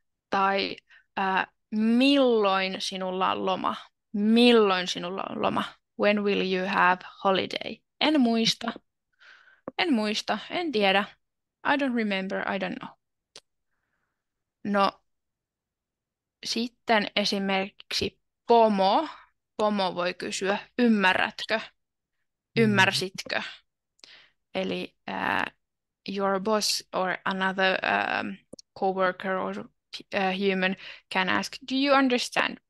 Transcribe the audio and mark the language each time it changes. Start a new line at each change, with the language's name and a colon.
Finnish: Tai milloin sinulla on loma? Milloin sinulla on loma?
English: When will you have holiday?
Finnish: En muista. En tiedä.
English: I don't remember. I don't know.
Finnish: No, sitten esimerkiksi pomo. Pomo voi kysyä, ymmärrätkö? Ymmärsitkö?
English: Eli your boss or another coworker or human can ask, do you understand?